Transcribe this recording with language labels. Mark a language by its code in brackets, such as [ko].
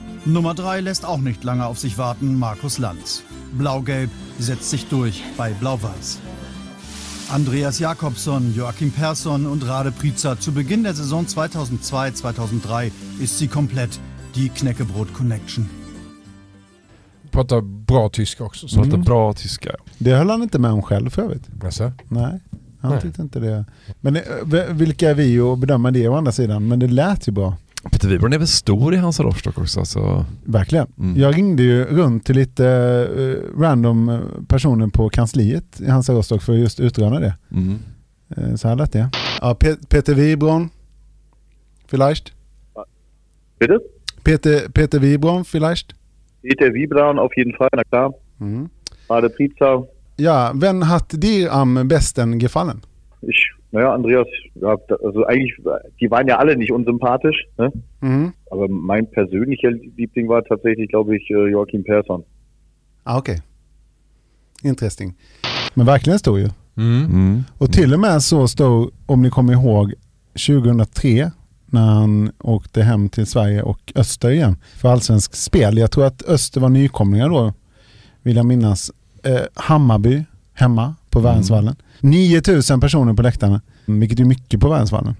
[de] Nummer 3 lässt auch nicht lange auf sich warten, Markus Lanz. Blau-Gelb setzt sich durch bei Blau-Weiß. Andreas Jakobsson, Joachim Persson und Rade Prica zu Beginn der Saison 2002-2003 ist sie komplett, die Knäckebrot-Connection. [sv] Pratar bra tyska också. Så. Pratar bra tyska. Det höll han inte med om själv för övrigt. Jaså? Nej, han tyckte inte det. Men vilka är vi att bedöma det å andra sidan? Men det lät ju bra. Peter Wibron är väl stor i Hansa Rostock också? Så. Verkligen. Mm. Jag ringde ju runt till lite random personer på kansliet i Hansa Rostock för att just utröna det. Mm. Så här lät det. Ja, Peter Wibron. Vielleicht? [de] Bitte? Peter Wibron, vielleicht? Peter Wibron, auf jeden Fall, na klar. Mm. Rade Prica. Ja, wen hat dir am besten gefallen? Ich, naja, Andreas, also eigentlich, die waren ja alle nicht unsympathisch. Ne? Mm. Aber mein persönlicher Liebling war tatsächlich, glaube ich, Joachim Persson. [sv] Ah, okay. Interesting. Men verkligen stor ju. Mm. Mm. Och till och med så stod, om ni kommer ihåg, 2003... när han åkte hem till Sverige och Öster igen för allsvensk spel. Jag tror att Öster var nykomlingar då, vill jag minnas. Hammarby hemma på Värnsvallen. 9000 personer på läktarna, vilket är mycket på Värnsvallen.